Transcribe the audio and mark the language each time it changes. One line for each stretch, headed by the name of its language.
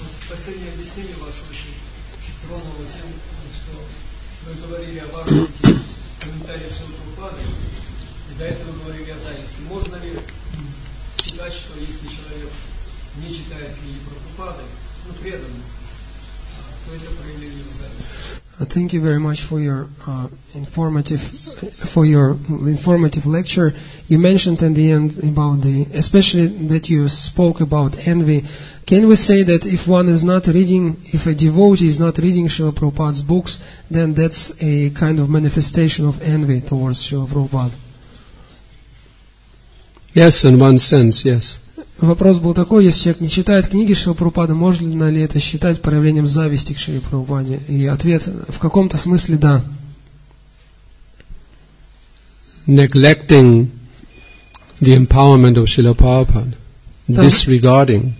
Russian: Последнее объяснение ваше очень тронуло тем, что вы говорили о важности комментариев Шрилы Прабхупады, и до этого говорили о зависти. Можно ли считать, что если человек не читает книги Прабхупады, но предан, то это проявление его зависти?
English: Thank you very much for your informative lecture. You mentioned in the end about the, especially that you spoke about envy. Can we say that if one is not reading, if a devotee is not reading Srila Prabhupada's books, then that's a kind of manifestation of envy towards Srila Prabhupada? Yes, in one sense, yes.
Russian: Вопрос был такой, если человек не читает книги Шрилы Прабхупады, можно ли это считать проявлением зависти к Шриле Прабхупаде? И ответ в каком-то смысле да.
English: Neglecting the empowerment of Srila Prabhupada, disregarding.